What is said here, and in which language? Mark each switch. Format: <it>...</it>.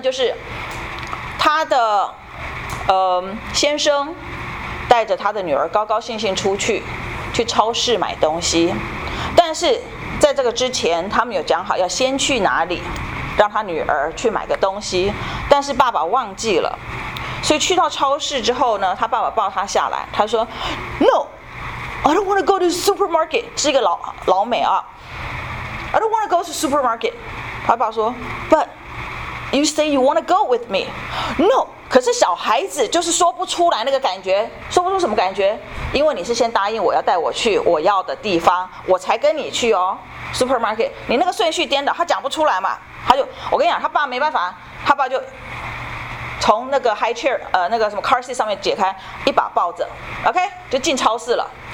<zh>就是他的先生带着他的女儿高高兴兴出去超市买东西，但是在这个之前他们有讲好要先去哪里让他女儿去买个东西，但是爸爸忘记了。所以去到超市之后呢，他爸爸抱他下来，他说</zh> <en>No, I don't want to go to supermarket，</en> <zh>是一个 老美啊，</zh> <en>I don't want to go to supermarket。</en> <zh>他爸说</zh> <en>But you say you want to go with me。</en> <zh>No， 可是小孩子就是说不出来那个感觉，说不出什么感觉，因为你是先答应我要带我去我要的地方，我才跟你去哦 supermarket， 你那个顺序颠倒，他讲不出来嘛。他就我跟你讲，他爸没办法，他爸就从那个 high chair 那个什么 car seat 上面解开，一把抱着 OK 就进超市了。</zh>